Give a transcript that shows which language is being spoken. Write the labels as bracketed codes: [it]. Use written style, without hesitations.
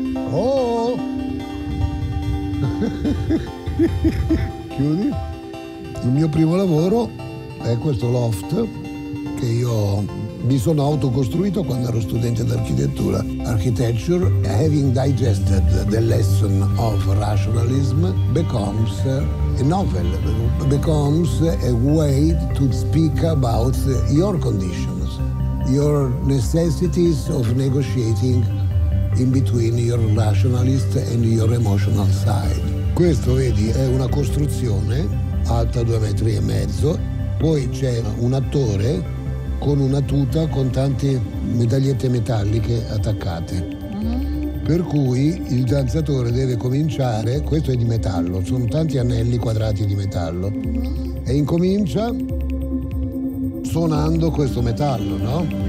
[it] Oh! Chiudi. Il mio primo lavoro è questo loft che io mi sono autocostruito quando ero studente d'architettura. [en] Architecture, having digested the lesson of rationalism, becomes a novel, becomes a way to speak about your conditions, your necessities of negotiating in between your rationalist and your emotional side. [it] Questo, vedi, è una costruzione alta 2,5 metri. Poi c'è un attore con una tuta con tante medagliette metalliche attaccate. Per cui il danzatore deve cominciare, questo è di metallo, sono tanti anelli quadrati di metallo, e incomincia suonando questo metallo, no?